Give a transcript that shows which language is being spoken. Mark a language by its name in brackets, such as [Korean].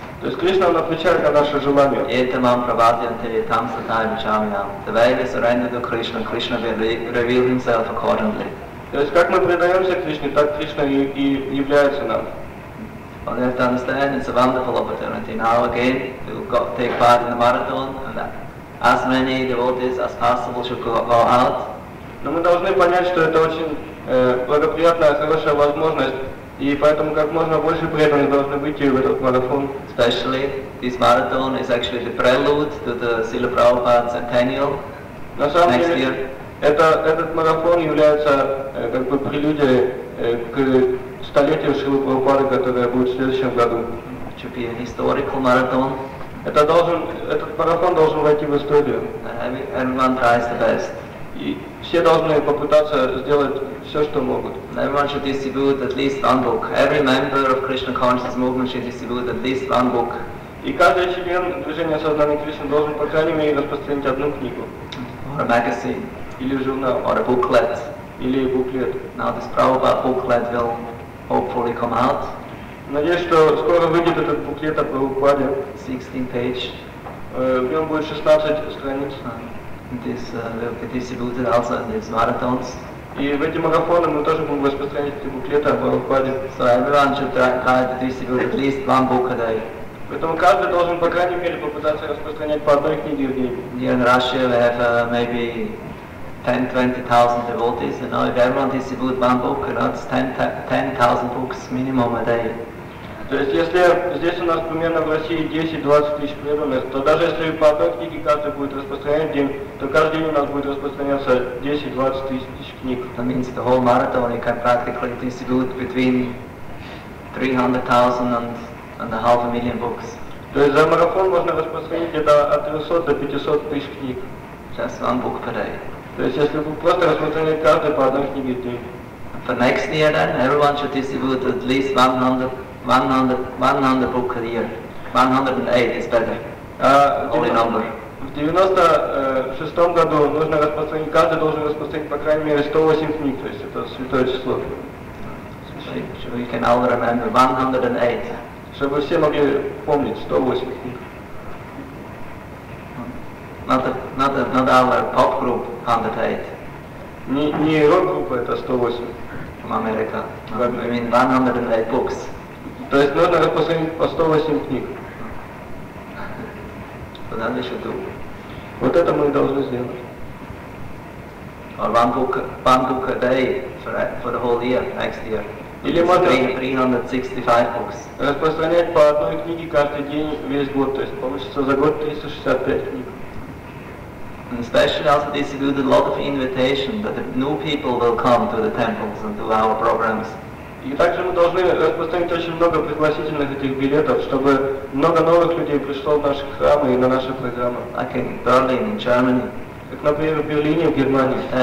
[Russian] То есть Кришна отвечает на наши желания. [Sanskrit] Etamam pravadyante tam satayam chamyam. [English] The way we surrender to Krishna, Krishna will reveal himself accordingly. [Russian] То есть как мы предаемся Кришне, так Кришна и является нам. [English] Well, you have to understand, it's a wonderful opportunity. Now again, we will take part in the marathon, and as many devotees as possible should go out. [Russian] Но мы должны понять, что это очень благоприятная, хорошая возможность, и поэтому как можно больше преданных должны выйти в этот марафон. [English] Especially, this marathon is actually the prelude to the Srila Prabhupada Centennial. [Russian] На самом [English] next [Russian] деле, [English] year. [Russian] Этот марафон является как бы прелюдией к столетию Шрилы Прабхупады, которое будет в следующем году. [English] It should be an historical marathon. [Russian] Этот марафон должен войти в историю. [English] Everyone tries the best. [Russian] И все должны попытаться сделать все, что могут. [English] Everyone should distribute at least one book. Every member of Krishna Consciousness Movement should distribute at least one book. [Russian] И каждый член движения сознания Кришны должен, по крайней мере, распространить одну книгу. [English] Or a magazine. [Russian] Или журнал. [English] Or a booklet. [Russian] Или буклет. [English] Now this Prabhupada booklet will hopefully come out. [Russian] Надеюсь, что скоро выйдет этот буклет о Прабхупаде. [English] 16 page. [Russian] В нем будет 16 страниц. [English] This will be distributed also in these marathons. [Russian] И в эти марафоны мы тоже будем распространять эти буклеты о Прабхупаде. [English] So everyone should try to distribute at least one book a day. [Russian] Поэтому каждый должен, по крайней мере, попытаться распространять по одной книге в день. [English] Here in Russia we have maybe 10-20,000 devotees. You know, if everyone distributes one book, you know, it's 10,000 books minimum a day. [Russian] То есть, если здесь у нас примерно в России 10-20 тысяч преданных, то даже если по одной книге каждый будет распространять день, то каждый день у нас будет распространяться 10-20 тысяч книг. [English] That means the whole marathon you can practically distribute between 300,000 and a half a million books. [Russian] То есть, за марафон можно распространить это от 300 до 500 тысяч книг. [English] Just one book per day. [Russian] То есть, если бы просто распространять каждый по одной книге в день. [English] For next year then, everyone should distribute at least 100 book a year. 108 is better. Only number. [Russian] В 96-м году нужно распространить, каждый должен распространить по крайней мере 108 книг, то есть это святое число. [English] So we can all remember 108. [Russian] Чтобы все могли помнить 108 книг. [English] Not our pop group. 108. [Russian] Не рок-группа, это 108. [English] From America. I mean 108 books. [Russian] То есть надо распространить по 108 книг. [English] But that we should do. [Russian] Вот это мы должны сделать. [English] Or one book a day for the whole year, next year. [Russian] Или можно [English] 365 books. [Russian] Распространять по одной книге каждый день весь год, то есть получится за год 365 книг. [English] And especially also distribute a lot of invitation that the new people will come to the temples and to our programs. [Russian] И также мы должны распространить очень много пригласительных этих билетов, чтобы много новых людей пришло в наши храмы и на наши программы. [English] Like in Berlin, in Germany. Как, например, в Берлине, в Германии.